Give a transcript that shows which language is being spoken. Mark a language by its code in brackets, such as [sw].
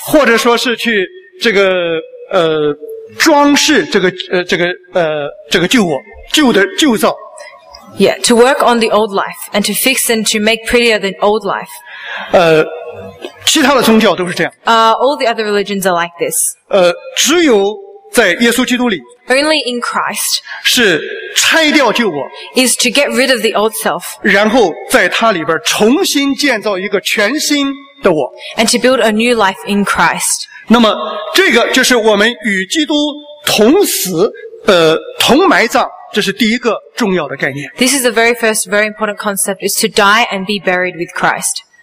[zh] 或者说是去这个，装饰这个旧我旧的旧造 [en] ，Yeah, to work on the old life and to fix and to make prettier the old life. [zh] 其他的宗教都是这样。 [en] All the other religions are like this. [zh] 只有在耶稣基督里 [en] ，Only in Christ [zh] 是拆掉旧我 [en] ，is to get rid of the old self. [zh] 然后在它里边重新建造一个全新的我 [en] ，and to build a new life in Christ. [zh] 那么这个就是我们与基督同死同埋葬，这是第一个重要的概念。 [en] This is the very first very important concept is to die and be buried with Christ.